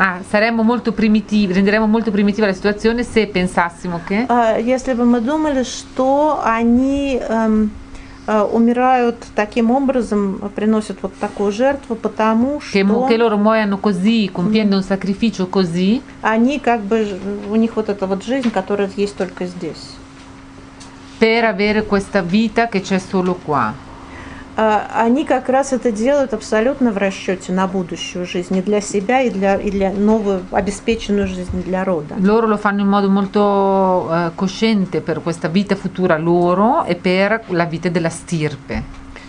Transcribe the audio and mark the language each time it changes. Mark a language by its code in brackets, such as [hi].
[it] Saremmo molto primitivi, renderemmo molto primitiva la situazione se pensassimo che. [ru] Если бы мы думали, что они умирают таким образом, приносят вот такую жертву, потому что [it] che loro muoiono così, compiendo un sacrificio così. [ru] Они как бы у них вот эта вот жизнь, которая есть только здесь. [it] Per avere questa vita che c'è solo qua. [ru] они как раз это делают абсолютно в расчете на будущую жизнь, и для себя, и для новую обеспеченную жизнь для рода. [it] Loro lo fanno in modo molto cosciente per questa vita futura loro e per la vita della stirpe.